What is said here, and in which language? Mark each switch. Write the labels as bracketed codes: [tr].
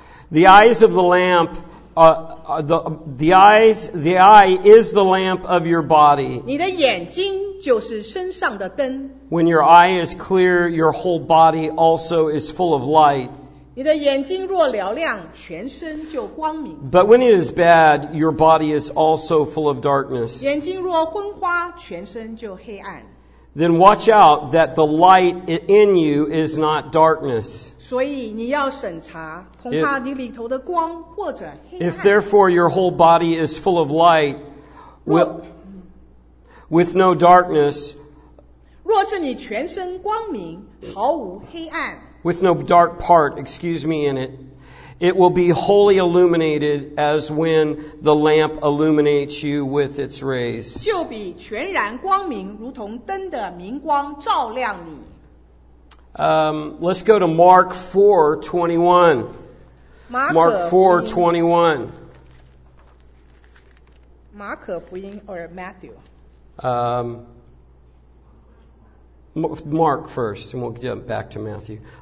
[en] The eyes of the lamp, the eye is the lamp of your body. [zh] 你的眼睛就是身上的灯。 [en] When your eye is clear, your whole body also is full of light. [zh] 你的眼睛若嘹亮，全身就光明。 [en] But when it is bad, your body is also full of darkness. [zh] 眼睛若昏花，全身就黑暗。 [en] Then watch out that the light in you is not darkness. [zh] 所以你要审查，恐怕你里头的光或者黑暗。 [en] If therefore your whole body is full of light, with no darkness, [zh] 若是你全身光明，毫无黑暗。 [en] With no dark part, in it, it will be wholly illuminated as when the lamp illuminates you with its rays. [zh] 就比全然光明，如同灯的明光照亮你。 [en] Let's go to Mark 4:21. Mark first, and we'll get back to Matthew.